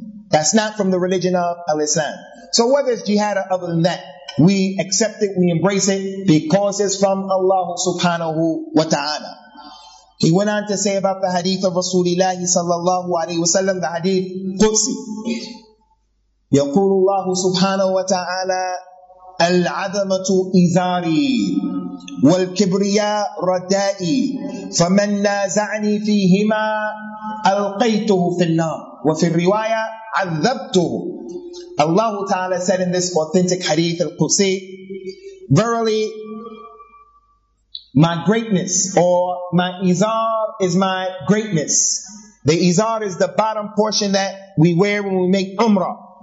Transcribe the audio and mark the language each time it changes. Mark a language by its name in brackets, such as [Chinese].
[English] That's not from the religion of Al-Islam. So whether it's jihad or other than that, we accept it, we embrace it, because it's from Allah subhanahu wa ta'ala. He went on to say about the hadith of Rasulullah sallallahu alayhi wa sallam, the hadith Qudsi. [Arabic] Yaqulullah subhanahu wa ta'ala, Al-Adamatu Izari والكبرياء ردائي فمن نازعني فيهما ألقيته في النار وفي الرواية عذبته. [English] Allah Ta'ala said in this authentic hadith al-Qudsi, verily my greatness, or my izar, is my greatness. The izar is the bottom portion that we wear when we make umrah.